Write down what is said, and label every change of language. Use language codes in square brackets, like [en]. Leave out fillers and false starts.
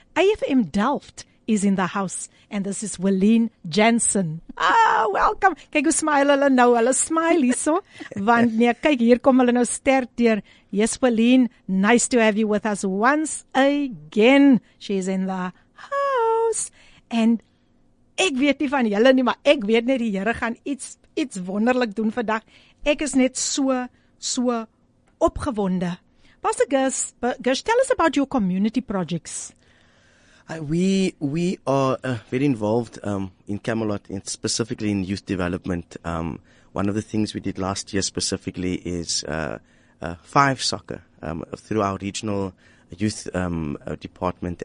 [en] AFM Delft is in the house. And this is Willeen Jansen. Ah, welkom. [af] Kyk hoe smile hulle nou. Hulle smile hierso. Want nee, kyk, hier kom hulle nou sterk deur. [en] Yes, Willeen, nice to have you with us once again. She's in the house. [af] And ek weet nie van julle nie, maar ek weet net die Here gaan iets wonderlik doen vandag. Ek is net so opgewonde. [en] Pastor Gus, tell us about your community projects. We are very involved in Camelot, and specifically in youth development. One of the things we did last year specifically is five soccer through our regional youth department.